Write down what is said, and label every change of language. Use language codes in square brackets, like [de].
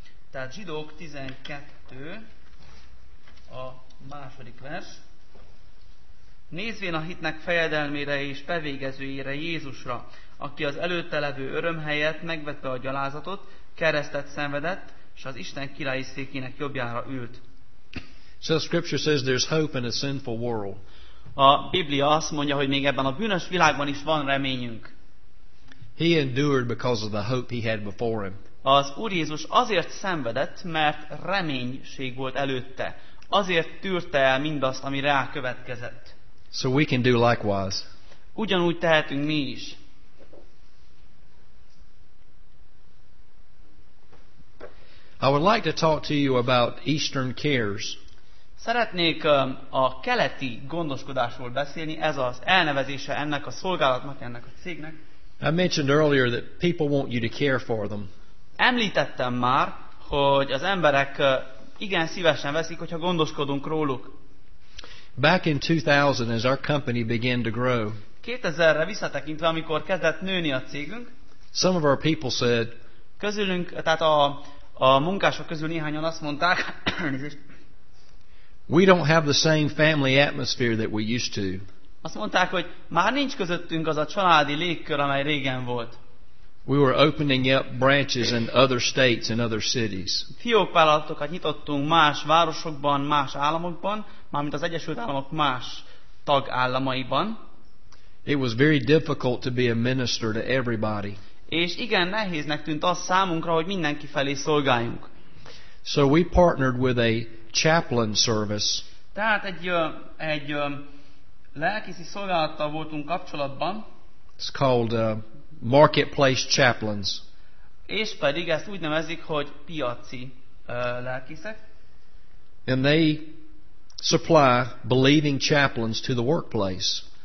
[hu] Tehát Zsidók 12, a második vers. Nézvén a hitnek fejedelmére és bevégezőjére, Jézusra, aki az előtte levő öröm helyett megvette a gyalázatot, keresztet szenvedett, és az Isten királyi székének jobbjára ült. [en] So the scripture says there's hope in a sinful world. [hu] A Biblia azt mondja, hogy még ebben a bűnös világban is van reményünk. [en] He endured because of the hope he had before him. [hu] Az Úr Jézus azért szenvedett, mert reménység volt előtte. Azért tűrte el mindazt, ami rá következett. [en] So we can do likewise. [hu] Ugyanúgy tehetünk mi is. [en] I would like to talk to you about Eastern cares. [hu] Szeretnék a keleti gondoskodásról beszélni, ez az elnevezése ennek a szolgálatnak, ennek a cégnek. [en] I mentioned earlier that people want you to care for them. [hu] Említettem már, hogy az emberek igen szívesen veszik, hogyha gondoskodunk róluk. [en] Back in 2000, as our company began to grow, [hu] 2000-re visszatekintve, amikor kezdett nőni a cégünk, [en] some of our people said, [hu] közülünk, tehát a munkások közül néhányan azt mondták, [en] we don't have the same family atmosphere that we used to. [hu] Azt mondták, hogy már nincs közöttünk az a családi légkör, amely régen volt. [en] We were opening up branches in other states and other cities. [hu] Fiókvállalatokat nyitottunk más városokban, más államokban, mármint az Egyesült Államok más tagállamaiban. [en] It was very difficult to be a minister to everybody. [hu] És igen nehéznek tűnt az számunkra, hogy mindenki felé szolgáljunk. [en] So we partnered with a chaplain service. [hu] Tehát egy lelkészi szolgálattal voltunk kapcsolatban. [en] It's called Marketplace chaplains. [hu] És pedig ezt úgy nevezik, hogy piaci lelkészek. [en] And they supply believing chaplains to the workplace.